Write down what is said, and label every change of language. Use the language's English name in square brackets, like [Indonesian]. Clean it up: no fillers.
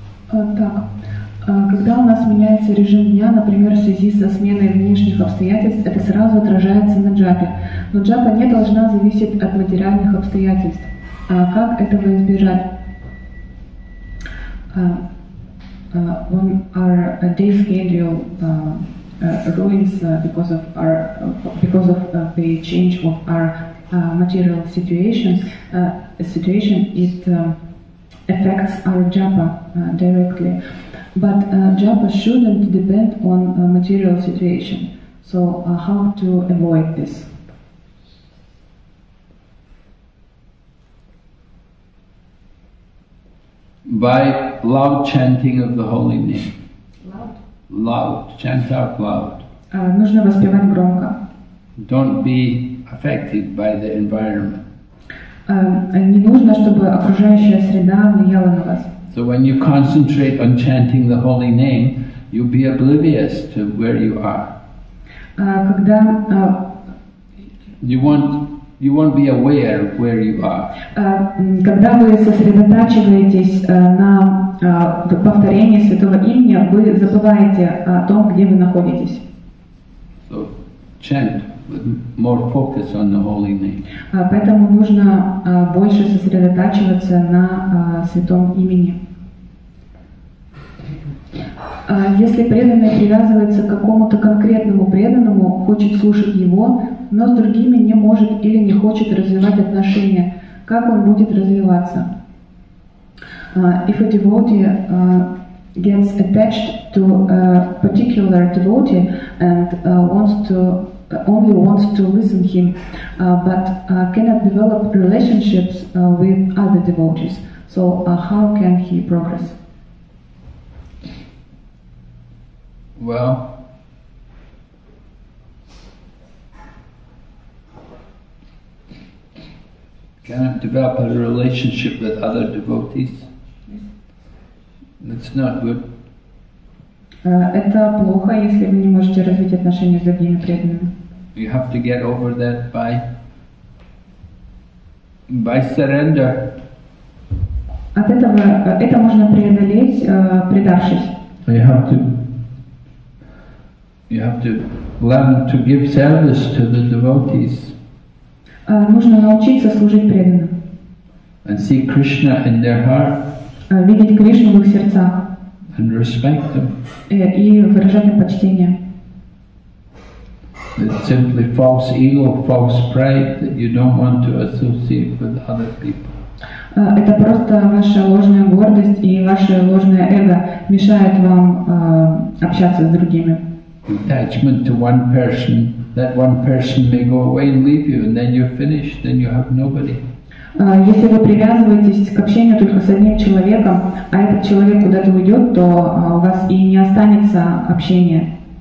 [Russian] Так, когда у нас меняется режим дня, например, в связи со сменой внешних обстоятельств, это сразу отражается на джапе. Но джапа не должна зависеть от материальных обстоятельств. А как этого избежать? [English] When our day schedule ruins because of the change of our material situations, affects our japa directly. But japa shouldn't depend on a material situation. So how to avoid this? By loud chanting of the holy name. Loud? Loud. Chant out loud. [Russian] Нужно воспевать громко. [English] Don't be affected by the environment. [Russian] Не нужно, чтобы окружающая среда влияла на вас. [English] So when you concentrate on chanting the holy name, you'll be oblivious to where you are. [Russian] Когда [English] you won't be aware of where you are. [Russian] Когда вы сосредотачиваетесь на повторении святого имени, вы забываете о том, где вы находитесь. [English] So chant with more focus on the holy name. [Russian] Поэтому нужно больше сосредотачиваться на святом имени. Если преданный привязывается к какому-то конкретному преданному, хочет слушать его, но с другими не может или не хочет развивать отношения, как он будет развиваться? [English] If a devotee gets attached to a particular devotee and only wants to listen him, but cannot develop relationships with other devotees, so how can he progress? Well, can I develop a relationship with other devotees? That's not good. [Russian] Это плохо, если вы не можете развить отношения с другими преданными. [English] You have to get over that by surrender. [Russian] От этого это можно преодолеть, предавшись. [English] You have to learn to give service to the devotees. [Russian] Нужно научиться служить преданным. [English] And see Krishna in their heart. [Russian] Видеть Кришну в их сердцах. [English] And respect them. [Russian] И выражать им почтение. [English] It's simply false ego, false pride that you don't want to associate with other people. [Russian] Это просто ваша ложная гордость и ваше ложное эго мешает вам общаться с другими. [English] Attachment to one person, that one person may go away and leave you, and then you're finished, then you have nobody. [Russian] Если вы привязываетесь к общению только с одним человеком, а этот человек куда-то уйдет, то у вас и не останется общения.